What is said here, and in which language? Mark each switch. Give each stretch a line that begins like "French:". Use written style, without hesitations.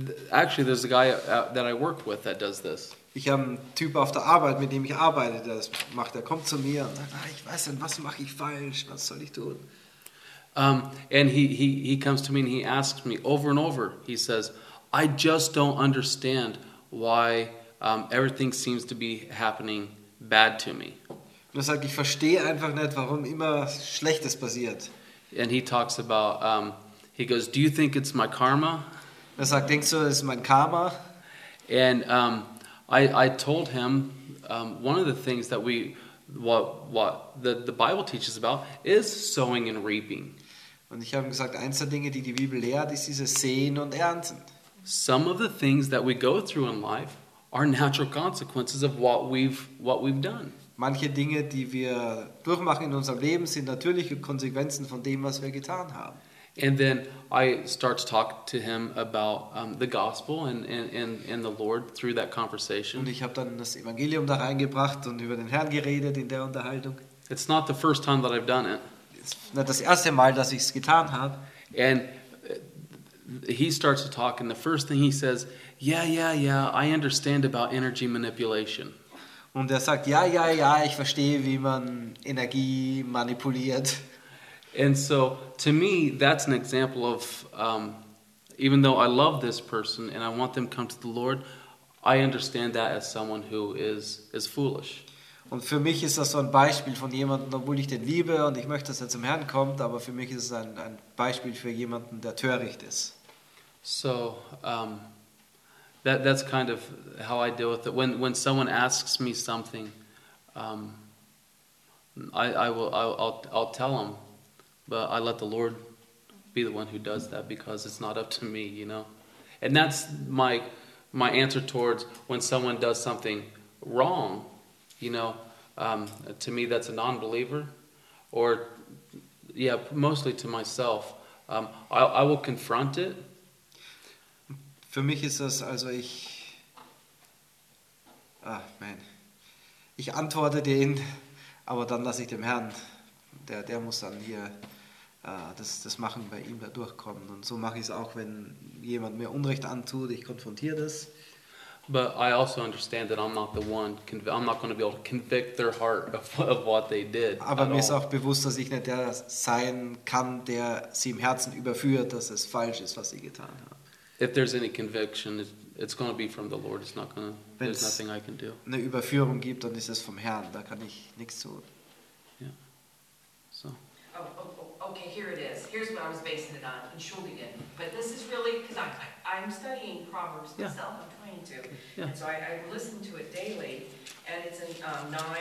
English: Actually, there's a guy that I work with that does this.
German: Ich habe einen Typ auf der Arbeit, mit dem ich arbeite, der das macht. Er kommt zu mir und sagt, ich weiß nicht, was mache ich falsch? Was soll ich tun?
English: And he comes to me and he asks me over and over. He says, I just don't understand why everything seems to be happening bad to me.
German: Er sagt, ich verstehe einfach nicht, warum immer Schlechtes passiert.
English: And he talks about, he goes, do you think it's my karma?
German: Er sagt, denkst du, das ist mein Karma?
English: And I told him, one of the things that we, what the Bible teaches about is sowing and reaping.
German: Und ich habe gesagt, eins der Dinge, die Bibel lehrt, ist dieses Sehen und Ernten.
English: Some of the things that we go through in life are natural consequences of what we've done.
German: Manche Dinge, die wir durchmachen in unserem Leben, sind natürliche Konsequenzen von dem, was wir getan haben.
English: And then I start to talk to him about the gospel and the Lord through that conversation.
German: Und ich habe dann das Evangelium da reingebracht und über den Herrn geredet in der Unterhaltung.
English: It's not the first time that I've done it.
German: Es ist nicht das erste Mal, dass ich es getan habe.
English: And he starts to talk, and the first thing he says, yeah, I understand about energy manipulation.
German: Und er sagt, ja, ich verstehe, wie man Energie manipuliert.
English: And so, to me, that's an example of, even though I love this person and I want them to come to the Lord, I understand that as someone who is foolish.
German: Und für mich ist das so ein Beispiel von jemandem, obwohl ich den liebe und ich möchte, dass er zum Herrn kommt, aber für mich ist es ein Beispiel für jemanden, der töricht ist.
English: So, that's kind of how I deal with it. When someone asks me something, I'll tell them. But I let the Lord be the one who does that because it's not up to me, you know. And that's my answer towards when someone does something wrong, you know. To me, that's a non-believer. Or, yeah, mostly to myself. I will confront it.
German: Für mich ist das, also ich... Ah, man. Ich antworte denen, aber dann lasse ich dem Herrn. Der muss dann hier... Das machen bei ihm, da durchkommen. Und so mache ich es auch, wenn jemand mir Unrecht antut, ich konfrontiere das.
English: But I also understand that I'm not the one, I'm not going to be able to convict their heart of what they did.
German: Aber mir ist auch bewusst, dass ich nicht der sein kann, der sie im Herzen überführt, dass es falsch ist, was sie getan haben.
English: If there's any conviction, it's going to be from the Lord. It's not going to, there's nothing I can do.
German: Wenn es eine Überführung gibt, dann ist es vom Herrn, da kann ich nichts tun. Ja. Yeah. So.
English: Okay, here it is. Here's what I was basing it on, Entschuldigen. But this is really, because I'm studying Proverbs myself, yeah. I'm trying to. Okay. Yeah. And so I listen to it daily, and it's in 9:7.